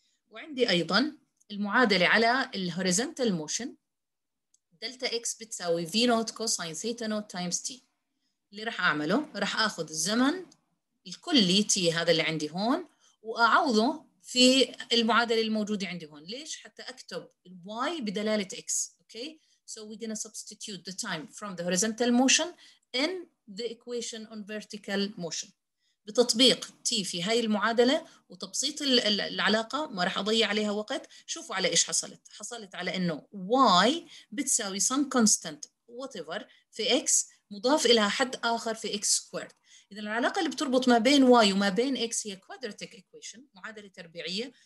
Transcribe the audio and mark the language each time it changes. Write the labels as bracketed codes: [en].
[ar] وعندي أيضا المعادلة على الـ horizontal motion دلتا x بتساوي v naught cosine theta naught times t. اللي رح أعمله رح أخذ الزمن الكلي t هذا اللي عندي هون وأعوضه في المعادلة الموجودة عندي هون. ليش؟ حتى أكتب y بدلالة x. [en] Okay, so we're going to substitute the time from the horizontal motion in the equation on vertical motion. [ar] بتطبيق T في هاي المعادلة وتبسيط العلاقة ما رح أضيع عليها وقت. شوفوا على إيش حصلت. حصلت على إنه Y بتساوي [en] some constant whatever [ar] في X مضاف إلى حد آخر في X squared. إذا العلاقة اللي بتربط ما بين Y وما بين X هي quadratic equation، معادلة تربيعية.